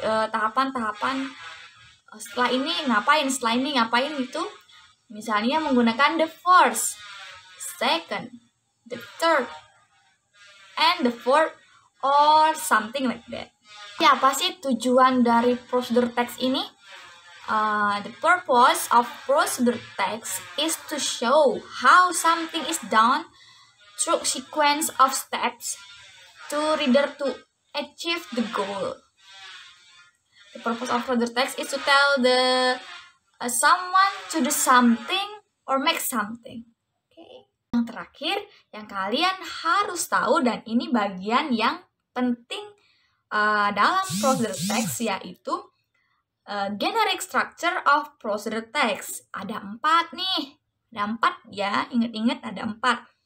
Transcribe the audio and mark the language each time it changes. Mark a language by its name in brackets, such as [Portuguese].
[Indonesian] Setelah ini ngapain, setelah ini ngapain itu. Misalnya menggunakan [English] the first, second, the third, and the fourth, or something like that. [Indonesian] Jadi apa sih tujuan dari prosedur teks ini? [English] The purpose of prosedur teks is to show how something is done through sequence of steps to reader to achieve the goal. The purpose of prosedur teks is to tell the someone to do something or make something. Okay. [Indonesian] Yang terakhir, yang kalian harus tahu dan ini bagian yang penting dalam prosedur teks yaitu [English] generic structure of [Indonesian] prosedur teks. Ada empat nih, ada empat ya, ingat-ingat ada empat.